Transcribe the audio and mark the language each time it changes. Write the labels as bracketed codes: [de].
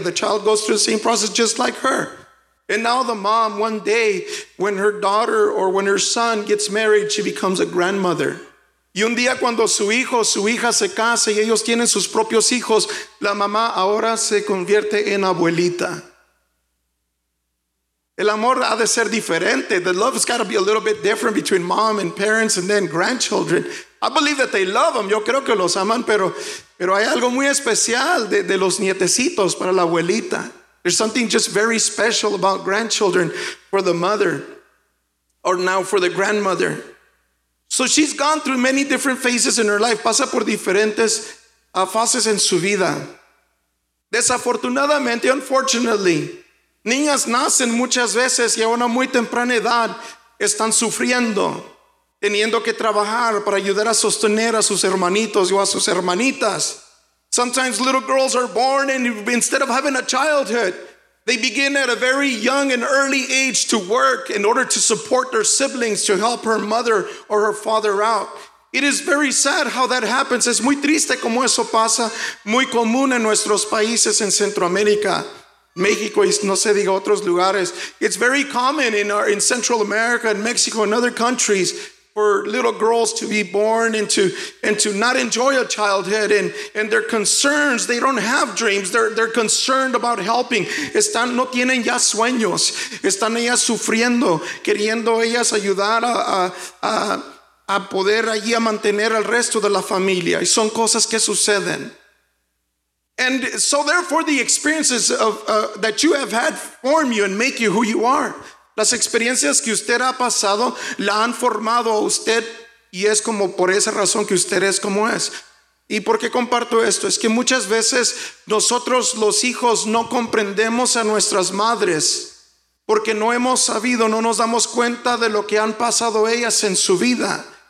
[en] The child goes through the same process just like her. And now the mom, one day, when her daughter or when her son gets married, she becomes a grandmother. [es] Y un día cuando su hijo o su hija se casa y ellos tienen sus propios hijos, la mamá ahora se convierte en abuelita. El amor ha de ser diferente. [en] The love has got to be a little bit different between mom and parents and then grandchildren. I believe that they love them. [es] Yo creo que los aman, pero hay algo muy especial de los nietecitos para la abuelita. [en] There's something just very special about grandchildren for the mother, or now for the grandmother. So she's gone through many different phases in her life. [es] Pasa por diferentes fases en su vida. Desafortunadamente, [en] unfortunately, [es] niñas nacen muchas veces y a una muy temprana edad están sufriendo, teniendo que trabajar para ayudar a sostener a sus hermanitos o a sus hermanitas. [en] Sometimes little girls are born and instead of having a childhood, they begin at a very young and early age to work in order to support their siblings, to help her mother or her father out. It is very sad how that happens. [es] Es muy triste como eso pasa, muy común en nuestros países en Centroamérica, México y no se diga otros lugares. [en] It's very common in Central America and Mexico and other countries for little girls to be born and to not enjoy a childhood and their concerns, they don't have dreams, they're concerned about helping. [es] Están, no tienen ya sueños, están ellas sufriendo, queriendo ellas ayudar a poder allí a mantener al resto de la familia. Y son cosas que suceden. [en] And so therefore the experiences of that you have had form you and make you who you are. [es] Las experiencias que usted ha pasado la han formado a usted y es como por esa razón que usted es como es. ¿Y por qué comparto esto? Es que muchas veces nosotros los hijos no comprendemos a nuestras madres porque no hemos sabido, no nos damos cuenta de lo que han pasado ellas en su vida.